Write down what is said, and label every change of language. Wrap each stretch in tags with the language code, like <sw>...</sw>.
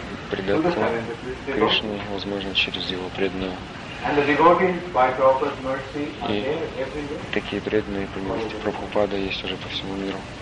<ru>предаться Кришне возможно через его преданного.</ru> <en>And the devotees, by Prabhupada's mercy, are there every day.</en> <ru>Такие преданные по милости Прабхупада есть уже по всему миру.</ru>